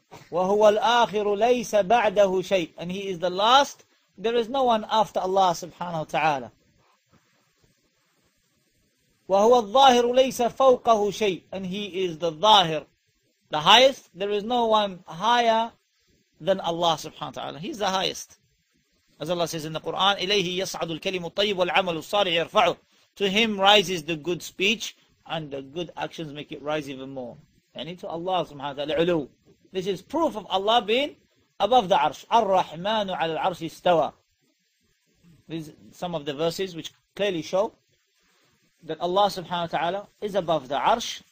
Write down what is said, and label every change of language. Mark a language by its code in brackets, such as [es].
[ar] وهو الآخر ليس بعده شيء. [en] And he is the last. There is no one after Allah سبحانه وتعالى. [ar] وهو الظاهر ليس فوقه شيء. [en] And he is the ظاهر, the highest. There is no one higher than Allah سبحانه وتعالى. He's the highest. As Allah says in the Quran, [ar] إليه يصعد الكلم الطيب والعمل الصالح يرفعه. [en] To him rises the good speech, and the good actions make it rise even more. And to Allah subhanahu wa ta'ala, ulu. This is proof of Allah being above the arsh. [ar] Ar-Rahmanu ala al-arsh istawa. [en] These are some of the verses which clearly show that Allah subhanahu wa ta'ala is above the arsh.